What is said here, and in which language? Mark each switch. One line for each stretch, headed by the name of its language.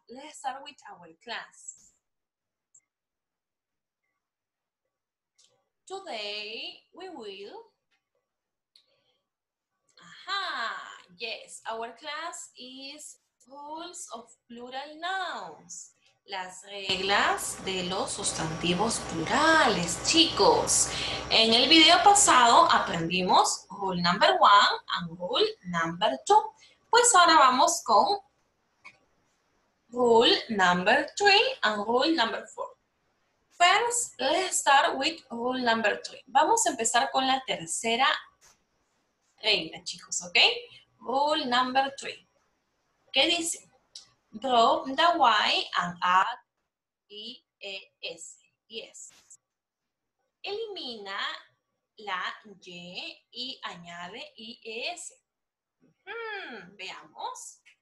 English: Let's start with our class. Today we will. Aha! Yes, our class is Rules of Plural Nouns.
Spanish: Las reglas de los sustantivos plurales, chicos. En el video pasado aprendimos
English: rule number one and rule number two.
Spanish: Pues ahora vamos con
English: rule number three and rule number four. First, let's start with rule number three.
Spanish: Vamos a empezar con la tercera regla, chicos, ¿ok?
English: Rule number three.
Spanish: ¿Qué dice?
English: Drop the Y and add I-E-S. Yes.
Spanish: Elimina la Y y añade I-E-S. Veamos.